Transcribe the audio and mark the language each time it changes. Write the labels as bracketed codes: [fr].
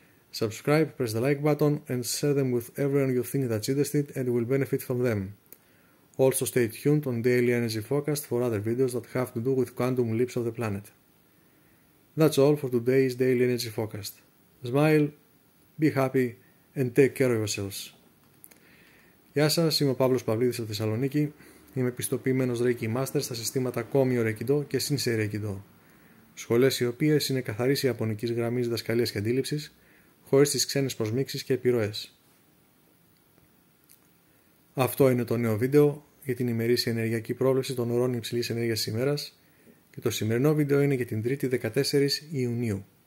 [en] Subscribe, press the like button and share them with everyone you think that's interested and will benefit from them. Also stay tuned on daily energy forecast for other videos that have to do with quantum leaps of the planet. That's all for today's daily energy forecast. Smile, be happy and take care of yourselves. [el] Γεια σας, είμαι ο Παύλος Παυλίδης από Θεσσαλονίκη. Είμαι επιστοποιημένος Reiki Master στα συστήματα Komi Reikido και Sensei Reikido. Σχολές οι οποίες είναι καθαρής ιαπωνικής γραμμής διδασκαλίας και αντίληψης, χωρίς τις ξένες προσμίξεις και επιρροές. Αυτό είναι το νέο βίντεο για την ημερήσια ενεργειακή πρόβλεψη των ουρών υψηλής ενέργειας της ημέρας και το σημερινό βίντεο είναι για την 3η 14 Ιουνίου.